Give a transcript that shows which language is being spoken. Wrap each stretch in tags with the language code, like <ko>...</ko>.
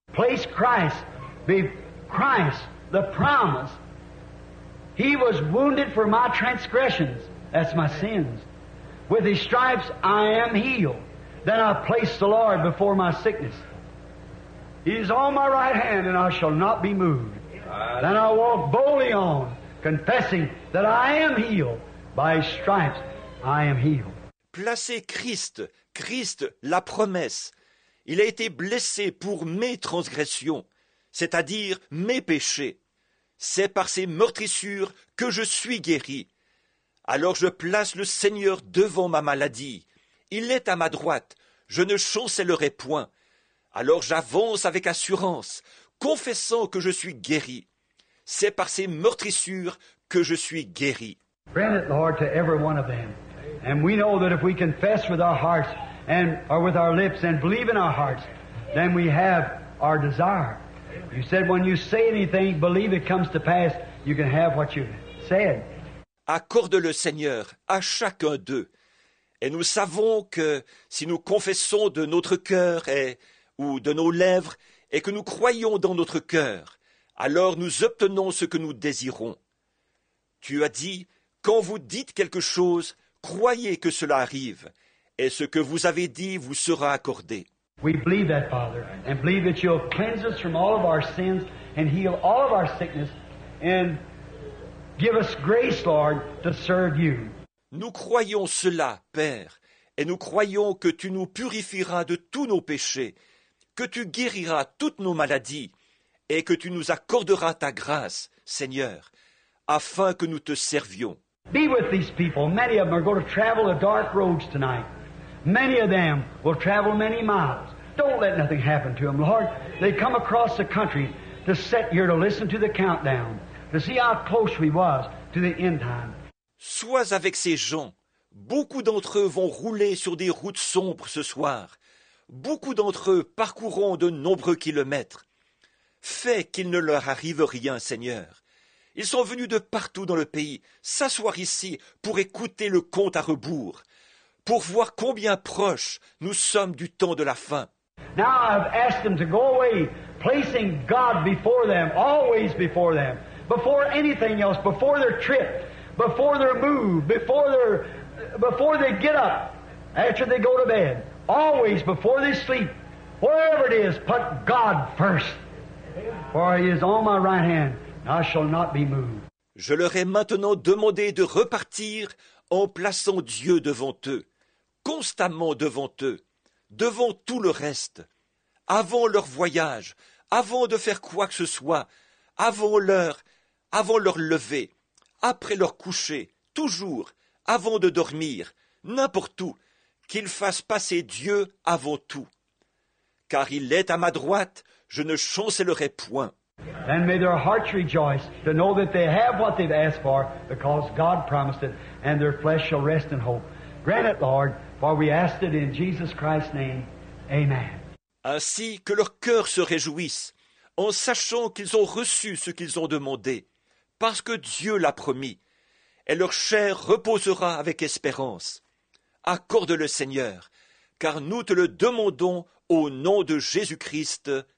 <en>Place Christ, be Christ, the promise. He was wounded for my transgressions, that's my sins. With his stripes I am healed. Then I place the Lord before my sickness. He is on my right hand, and I shall not be moved. Then I walk boldly on, confessing that I am healed. By his stripes I am healed.</en> <fr>Placez Christ, Christ, la promesse. Il a été blessé pour mes transgressions, c'est-à-dire mes péchés. C'est par ses meurtrissures que je suis guéri. Alors je place le Seigneur devant ma maladie. Il est à ma droite, je ne chancellerai point. Alors j'avance avec assurance, confessant que je suis guéri. C'est par ces meurtrissures que je suis guéri.</fr> <en>Grant it, Lord, to every one of them. And we know that if we confess with our hearts and or with our lips and believe in our hearts, then we have our desire. You said when you say anything, believe it comes to pass, you can have what you said.</en> <fr>Accorde-le, Seigneur, à chacun d'eux. Et nous savons que si nous confessons de notre cœur ou de nos lèvres et que nous croyons dans notre cœur, alors nous obtenons ce que nous désirons. Tu as dit, quand vous dites quelque chose, croyez que cela arrive, et ce que vous avez dit vous sera accordé.</fr> <en>We believe that, Father, and believe that you'll cleanse us from all of our sins and heal all of our sickness and give us grace, Lord, to serve you.</en> <fr>Nous croyons cela, Père, et nous croyons que tu nous purifieras de tous nos péchés, que tu guériras toutes nos maladies et que tu nous accorderas ta grâce, Seigneur, afin que nous te servions.</fr> <en>Be with these people. Many of them are going to travel the dark roads tonight. Many of them will travel many miles. Don't let nothing happen to them, Lord. They come across the country to sit here to listen to the countdown, to see how close we was to the end time.</en> <fr>Sois avec ces gens. Beaucoup d'entre eux vont rouler sur des routes sombres ce soir. Beaucoup d'entre eux parcourront de nombreux kilomètres. Fais qu'il ne leur arrive rien, Seigneur. Ils sont venus de partout dans le pays s'asseoir ici pour écouter le compte à rebours, pour voir combien proches nous sommes du temps de la fin.</fr> <en>Now I've asked them to go away, placing God before them, always before them, before anything else, before their trip, before their move, before they get up, after they go to bed, always before they sleep, wherever it is, put God first. For He is on my right hand. I shall not be moved.</en> <fr>Je leur ai maintenant demandé de repartir en plaçant Dieu devant eux, constamment devant eux, devant tout le reste, avant leur voyage, avant de faire quoi que ce soit, avant leur lever, après leur coucher, toujours, avant de dormir, n'importe où, qu'ils fassent passer Dieu avant tout. Car il est à ma droite, je ne chancellerai point.</fr> <en>And may their hearts rejoice to know that they have what they've asked for because God promised it, and their flesh shall rest in hope. Grant it, Lord, for we ask it in Jesus Christ's name. Amen.</en> <fr>Ainsi que leur cœur se réjouisse, en sachant qu'ils ont reçu ce qu'ils ont demandé, parce que Dieu l'a promis, et leur chair reposera avec espérance. Accorde-le, Seigneur, car nous te le demandons au nom de Jésus-Christ.</fr>